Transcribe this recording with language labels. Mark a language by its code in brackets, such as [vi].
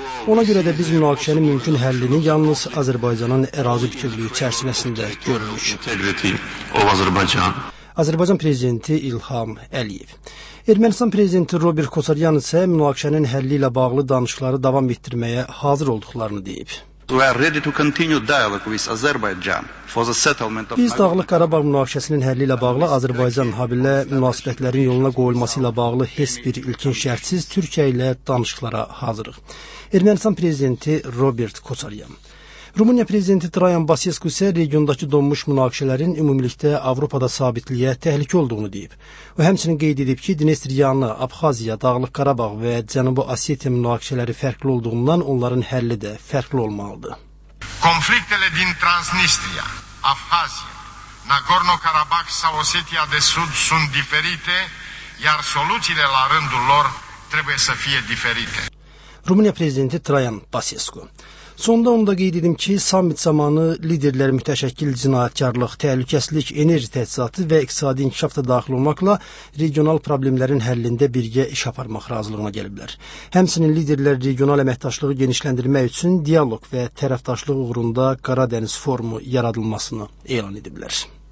[az] Ona görə də biz münaqişənin mümkün həllini yalnız Azərbaycanın ərazi bütövlüyü çərçivəsində görürük. Azərbaycan Prezidenti İlham Əliyev. Ermənistan Prezidenti Robert Kosaryan isə münaqişənin həlli ilə bağlı danışıqları davam etdirməyə hazır olduqlarını deyib. [en] We are ready to continue dialogue with Azerbaijan for the settlement of [az] Biz Dağlıq Qarabağ münaqişəsinin həlli ilə bağlı Azərbaycan habilə münasibətlərin yoluna qoyulması ilə bağlı heç bir ilkin şərtsiz Türkiyə ilə danışıqlara hazırıq. Ermənistan prezidenti Robert Kosaryan. Rumuniya prezidenti Traian Basescu isə regiondakı donmuş münaqişələrin ümumilikdə Avropada sabitliyə təhlükə olduğunu deyib. O həmçinin qeyd edib ki, Dnestriyanı, Abxaziya, Dağlıq Qarabağ və Cənubi Osetiya münaqişələri fərqli olduğundan onların həlli də fərqli olmalıdır. [ro] Konfliktele din Transnistria, Abxaziya, Nagorno-Qarabağ sau Osetiya de Sud sunt diferite, iar soluțiile la rândul lor trebuie să fie diferite. [az] Rumuniya prezidenti Traian Basescu. Sonda onu da qeyd edim ki, summit zamanı liderlər mütəşəkkil cinayətkarlıq, təhlükəsizlik, enerji təchizatı və iqtisadi inkişaf da daxil olmaqla regional problemlərin həllində birgə iş aparmaq razılığına gəliblər. Həmçinin liderlər regional əməkdaşlığı genişləndirmək üçün dialoq və tərəfdaşlıq uğrunda Qara Dəniz Forumu yaradılmasını elan ediblər.